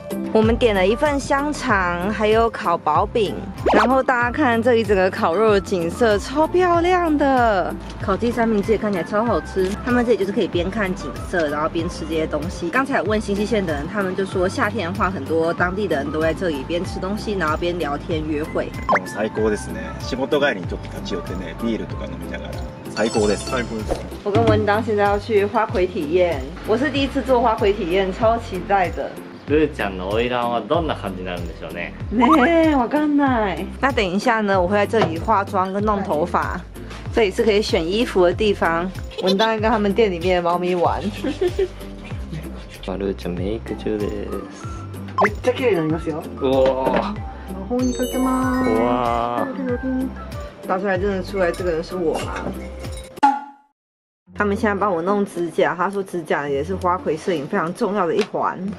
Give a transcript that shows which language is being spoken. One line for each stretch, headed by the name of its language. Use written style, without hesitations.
Chinese: 我们点了一份香肠，还有烤薄饼，然后大家看这里整个烤肉的景色超漂亮的，烤鸡三明治也看起来超好吃。他们这里就是可以边看景色，然后边吃这些东西。刚才问新西县的人，他们就说夏天的话，很多当地的人都在这里边吃东西，然后边聊天约会。
Japanese: 最高ですね。仕事帰りにちょっと立ち寄ってね、ビールとか飲みながら。最高です。最高です。
Chinese: 我跟文当现在要去花魁体验，我是第一次做花魁体验，超期待的。
Japanese: ルーちゃんのオイランはどんな感じになるんでしょうね。ねえ、わかんない。
Chinese: 那等一下呢，我会在这里化妆跟弄头发，这里是可以选衣服的地方。文旦跟他们店里面的猫咪玩。
Japanese: まルーちゃんメイク中です。めっちゃ綺麗になりますよ。うわ。魔法にかけまーす。わ。
Chinese: 打出来真的出来，这个人是我吗？他们现在帮我弄指甲，他说指甲也是花魁摄影非常重要的一环。